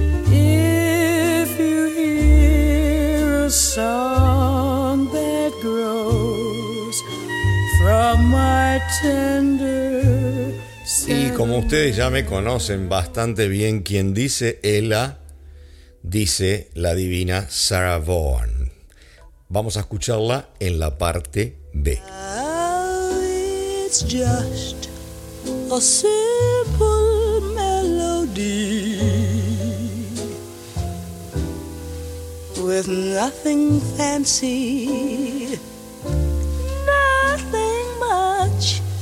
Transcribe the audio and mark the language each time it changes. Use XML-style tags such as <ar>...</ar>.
<en>If you hear a song that grows from my tender.</en> <es>Y como ustedes ya me conocen bastante bien, quien dice Ella, dice la divina Sarah Vaughan. Vamos a escucharla en la parte B.</es> <en>Well, it's just a simple melody with nothing fancy, nothing much.</en>